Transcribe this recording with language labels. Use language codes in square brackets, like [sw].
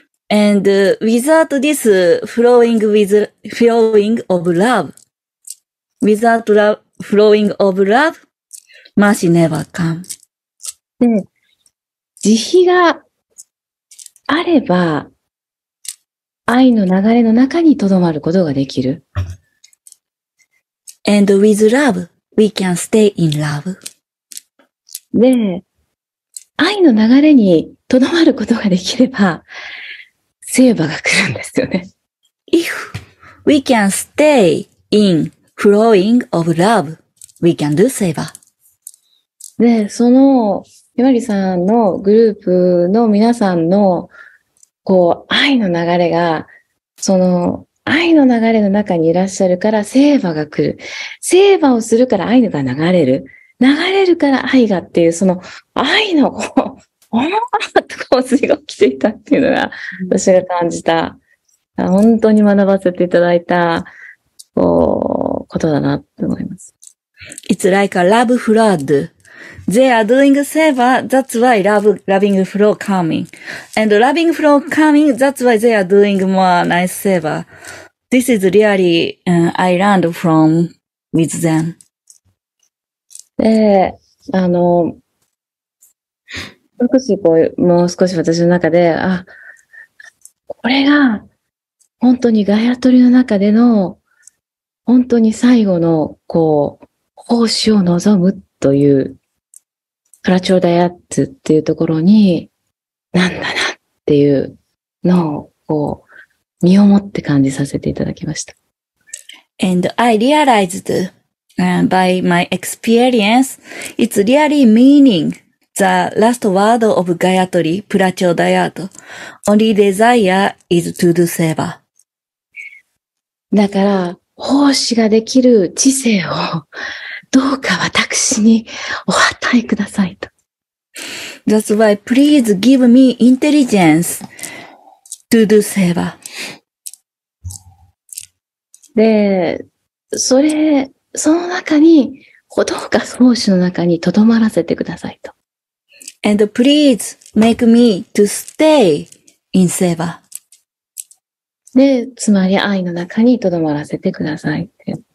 [en] And without this flowing, with flowing of love, without love, flowing of love, mercy never come. [ja] で、慈悲があれば、愛の流れの中に留まることができる。 [en] And with love, we can stay in love. [ja] で、愛の流れに留まることができれば、セーバーが来るんですよね。 [en] If we can stay in flowing of love, we can do seva. [ja] で、その、ひまりさんのグループの皆さんの、こう、愛の流れが、その、愛の流れの中にいらっしゃるから、セーバーが来る。セーバーをするから愛が流れる。流れるから愛がっていう、その、愛の、こう、おもーっとこう、水が来ていたっていうのが、私が感じた、本当に学ばせていただいた、こう、ことだなって思います。 [en] It's like a love flood. They are doing seva, that's why love, loving flow coming. And loving flow coming, that's why they are doing more nice seva. This is really, I learned from with them. [ja] で、少しこう、もう少し私の中で、あ、これが、本当にガヤトリの中での、本当に最後の、こう、奉仕を望むという、プラチョーダヤッツっていうところに、なんだなっていうのを、こう、身をもって感じさせていただきました。 [en] And I realized,by my experience, it's really meaning the last word of Gayatri, Prachodayato. Only desire is to do seva. [ja] だから、奉仕ができる知性をどうか私にお与えくださいと。 [en] That's why please give me intelligence to do seva. [ja] で、それ、その中に、どうか奉仕の中に留まらせてくださいと。 [en] And please make me to stay in seva. [ja] で、つまり愛の中に留まらせてくださいって。